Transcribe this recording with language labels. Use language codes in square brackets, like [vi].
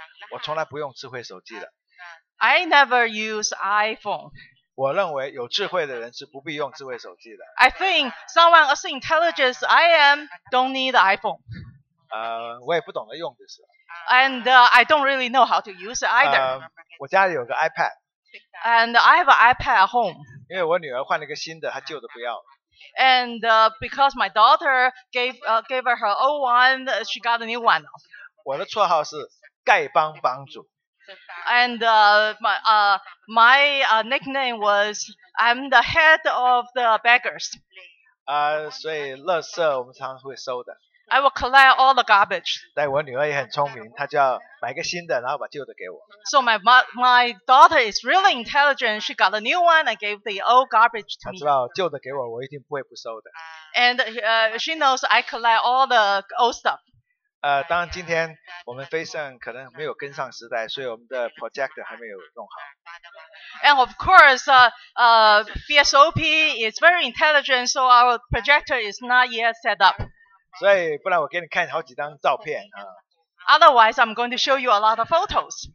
[zh] 我从来不用智慧手机的。 [en] I never use iPhone. [zh] 我认为有智慧的人是不必用智慧手机的。 [en] I think someone as intelligent as I am don't need iPhone. [zh] 我也不懂得用就是。 [en] And I don't really know how to use it either. [zh] 我家里有个 iPad. [en] And I have an iPad at home. [zh] 因为我女儿换了一个新的，她旧的不要了。 [en] And because my daughter gave her old one, she got a new one. [zh] 我的绰号是丐帮帮主。 [en] And my nickname was I'm the head of the beggars. [zh] 所以垃圾我们常会收的。 [en] I will collect all the garbage. [zh] 但我女儿也很聪明，她就要买个新的，然后把旧的给我。 [en] So my daughter is really intelligent. She got a new one and gave the old garbage to me. [zh] 她知道旧的给我，我一定不会不收的。 [en] And she knows I collect all the old stuff. [zh] 当然今天我们飞盛可能没有跟上时代，所以我们的 project 还没有弄好。 [en] And of course, VSOP is very intelligent, so our projector is not yet set up. [zh] 所以不然我给你看好几张照片啊。 [en] Otherwise, I'm going to show you a lot of photos.